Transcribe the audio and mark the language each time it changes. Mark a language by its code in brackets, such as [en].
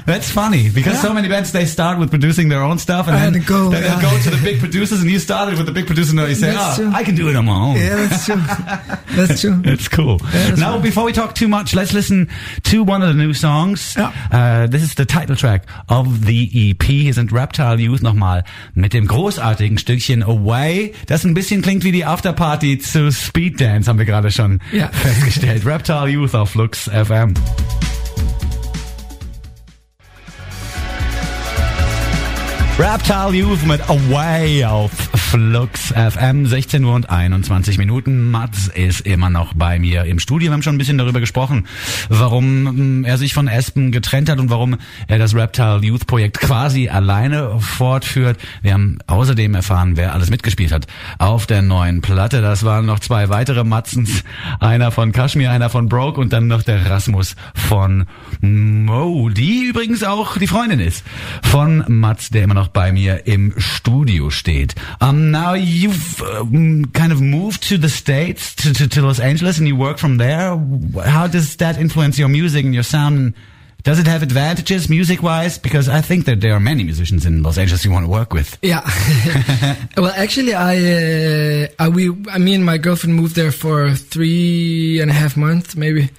[en] That's funny because so many bands, they start with producing their own stuff and then they go to the big producers, and you started with the big producer, and you say, I can do it on my own. Yeah, that's true. It's cool. Yeah, that's now, funny. Before we talk too much, let's listen to one of the new songs. Yeah. This is the title track of the EP. [de] Hier sind Reptile Youth nochmal mit dem großartigen Stückchen Away. Das ein bisschen klingt wie die Afterparty zu Speed Dance, haben wir gerade schon festgestellt. Reptile Youth auf Lux FM. Reptile Youth mit Away auf Flux FM, 16 Uhr und 21 Minuten. Mats ist immer noch bei mir im Studio. Wir haben schon ein bisschen darüber gesprochen, warum er sich von Espen getrennt hat und warum er das Reptile Youth Projekt quasi alleine fortführt. Wir haben außerdem erfahren, wer alles mitgespielt hat auf der neuen Platte. Das waren noch zwei weitere Matzens. Einer von Kashmir, einer von Broke und dann noch der Rasmus von Mo, die übrigens auch die Freundin ist von Mats, der immer noch bei mir im Studio steht. [en] Now you've kind of moved to the States, to Los Angeles, and you work from there. How does that influence your music and your sound? Does it have advantages music-wise? Because I think that there are many musicians in Los Angeles you want to work with. Yeah. Well, actually, me and my girlfriend moved there for 3.5 months, maybe.